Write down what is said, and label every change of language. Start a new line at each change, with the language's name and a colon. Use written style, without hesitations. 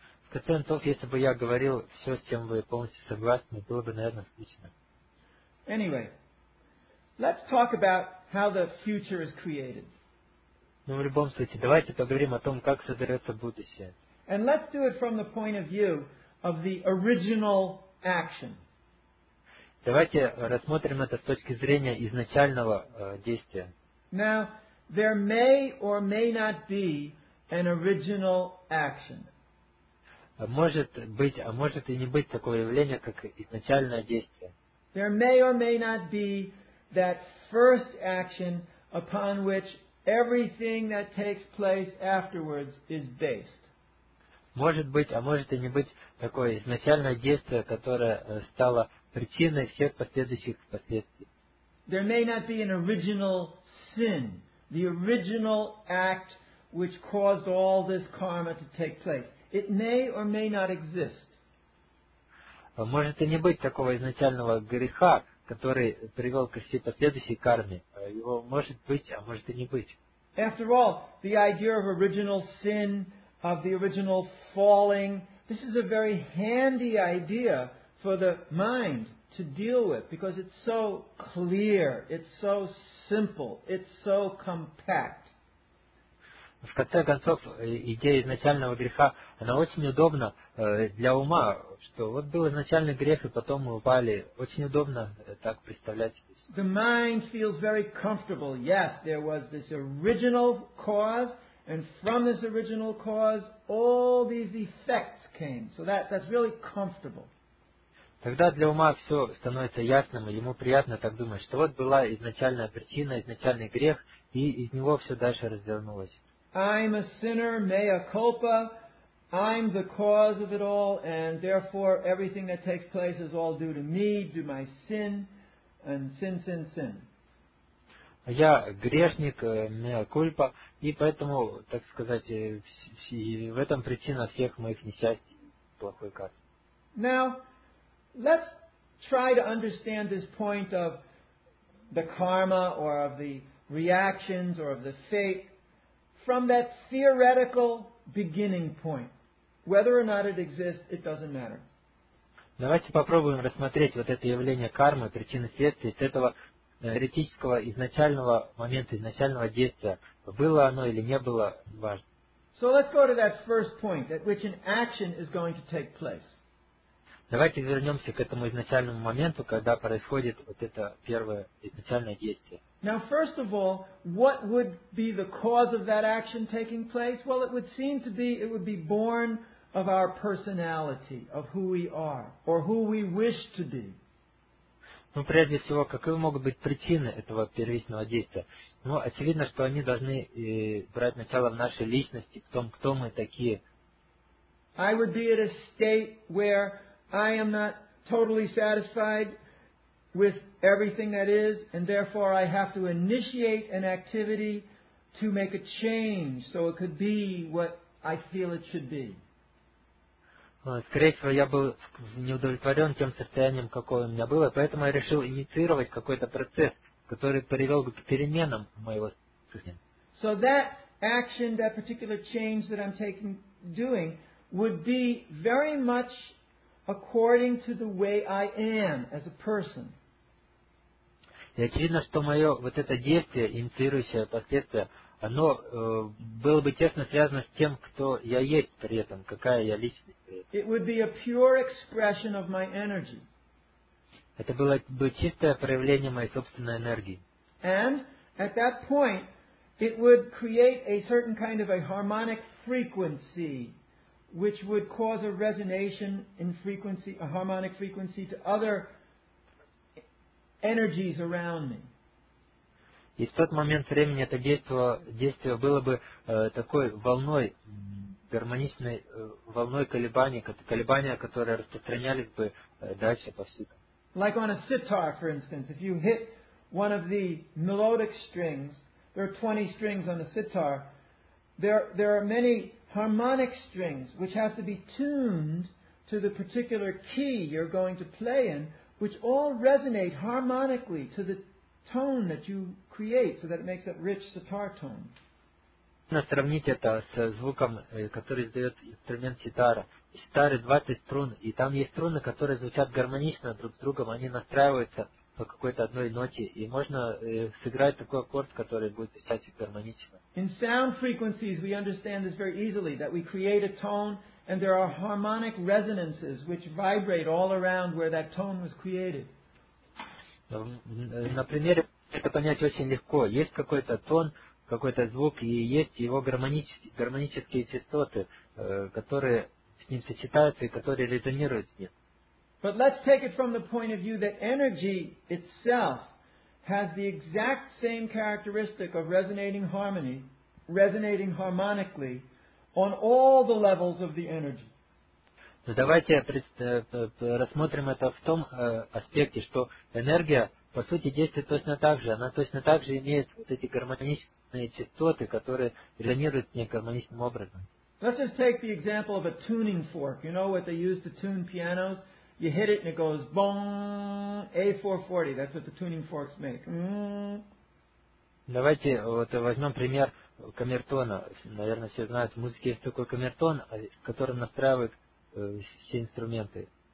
Russian: В конце концов, если бы я говорил все, с чем вы полностью согласны, было бы, наверное, скучно.
English: Anyway, let's talk about how the future is created.
Russian: Ну, в любом случае, давайте поговорим о том, как создается будущее.
English: And let's do it from the point of view of the original action.
Russian: Давайте рассмотрим это с точки зрения изначального действия.
English: Now, there may or may not be an original action.
Russian: Может быть, а может и не быть такого явления, как изначальное действие.
English: There may or may not be that first action upon which everything that takes place afterwards is based.
Russian: Может быть, а может и не быть такое изначальное действие, которое стало причиной всех последующих последствий.
English: There may not be an original sin, the original act which caused all this karma to take place. It may or may not exist.
Russian: Может и не быть такого изначального греха, который привел к всей последующей карме, его может быть, а может и не быть.
English: After all, the idea of original sin, of the original falling, this is a very handy idea for the mind to deal with, because it's so clear, it's so simple, it's so compact.
Russian: В конце концов, идея изначального греха, она очень удобна для ума, что вот был изначальный грех, и потом мы упали. Очень удобно так представлять.
English: The mind feels very comfortable. Yes, there was this original cause, and from this original cause, all these effects came. So that's really comfortable.
Russian: Тогда для ума все становится ясным, и ему приятно так думать, что вот была изначальная причина, изначальный грех, и из него все дальше развернулось.
English: I'm a sinner, mea culpa. I'm the cause of it all, and therefore everything that takes place is all due to me, due to my sin, and sin, sin, sin.
Russian: Я грешник, mea culpa, и поэтому, так сказать, в этом причина всех моих несчастий, плохой кармы.
English: Now, let's try to understand this point of the karma or of the reactions or of the fate from that theoretical beginning point. Whether or not it exists, it doesn't matter.
Russian: Давайте попробуем рассмотреть вот это явление кармы, причины следствия, с этого теоретического изначального момента, изначального действия. Было оно или не было, важно.
English: So let's go to that first point at which an action is going to take place.
Russian: Давайте вернемся к этому изначальному моменту, когда происходит вот это первое изначальное действие.
English: Now, first of all, what would be the cause of that action taking place? Well, it would seem to be, it would be born of our personality, of who we are, or who we wish to be.
Russian: Ну, прежде всего, какие могут быть причины этого первичного действия? Ну, очевидно, что они должны брать начало в нашей личности, в том, кто мы такие.
English: I would be at a state where I am not totally satisfied with everything that is, and therefore I have to initiate an activity to make a change so it could be what I feel it should be.
Russian: Скорее всего, я был неудовлетворен тем состоянием, какое у меня было, поэтому я решил инициировать какой-то процесс, который привел бы к переменам моего состояния.
English: So that action, that particular change that I'm taking, doing, would be very much according to the way I am as a person.
Russian: И очевидно, что мое вот это действие, инициирующее последствие, оно было бы тесно связано с тем, кто я есть при этом, какая я личность при этом.
English: It would be a pure expression of my energy.
Russian: Это было бы чистое проявление моей собственной энергии.
English: And at that point, it would create a certain kind of a harmonic frequency, which would cause a resonation in frequency, a harmonic frequency to other energies around me.
Russian: И в тот момент времени это действие было бы такой волной, гармоничной волной колебания, которые распространялись бы дальше повсюду.
English: Like on a sitar, for instance, if you hit one of the melodic strings, there are 20 strings on a sitar, there are many harmonic strings which have to be tuned to the particular key you're going to play in, which all resonate harmonically to the tone that you create, so that it makes that rich sitar tone.
Russian: Сравнить это с звуком, который издает инструмент ситара. Ситары 20 струн, и там есть струны, которые звучат гармонично друг с другом, они настраиваются по какой-то одной ноте, и можно сыграть такой аккорд, который будет звучать гармонично.
English: In sound frequencies we understand this very easily, that we create a tone and there are harmonic resonances which vibrate all around where that tone was created.
Russian: На примере это понять очень легко. Есть какой-то тон, какой-то звук, и есть его гармонические частоты, которые с ним сочетаются и которые резонируют с ним.
English: But let's take it from the point of view that energy itself has the exact same characteristic of resonating harmony, resonating harmonically on all the levels of the energy.
Russian: Но давайте рассмотрим это в том аспекте, что энергия, по сути, действует точно так же. Она точно так же имеет вот эти гармоничные частоты, которые резонируют с ней гармоничным образом.
English: Let's just take the example of a tuning fork. You know what they use to tune pianos? You hit it and it goes boom, A440. That's what the tuning forks make.
Russian: Давайте вот возьмем пример камертона. Наверное, все знают, в музыке есть такой камертон, который настраивает все инструменты.